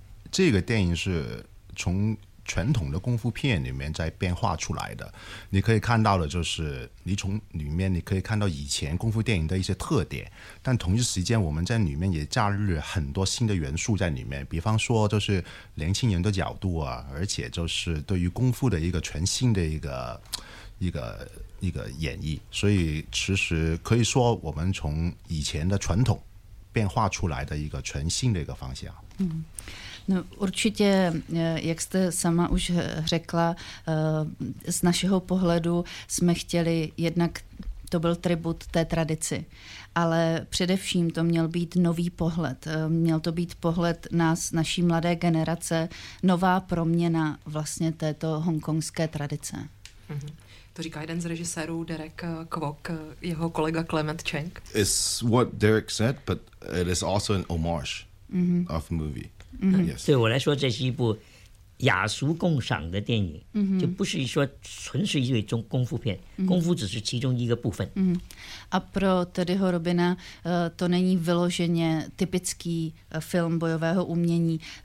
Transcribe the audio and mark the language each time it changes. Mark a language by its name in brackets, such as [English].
[Chinese] 这个电影是从传统的功夫片里面在变化出来的，你可以看到的就是你从里面你可以看到以前功夫电影的一些特点，但同一时间我们在里面也加入了很多新的元素在里面，比方说就是年轻人的角度啊，而且就是对于功夫的一个全新的一个演绎，所以其实可以说我们从以前的传统变化出来的一个全新的一个方向。 [Czech] No, určitě, jak jste sama už řekla, z našeho pohledu jsme chtěli, jednak to byl tribut té tradici, ale především to měl být nový pohled. Měl to být pohled nás, naší mladé generace, nová proměna vlastně této hongkongské tradice. To říká jeden z režisérů, Derek Kwok, jeho kolega Clement Cheng. [English] It's what Derek said, but it is also an homage of movie. Yes. [Chinese] 对我来说，这是一部雅俗共赏的电影，就不是说纯是一种功夫片，功夫只是其中一个部分。 [Czech] A pro Teddyho Robina to není vyloženě typický film bojového umění.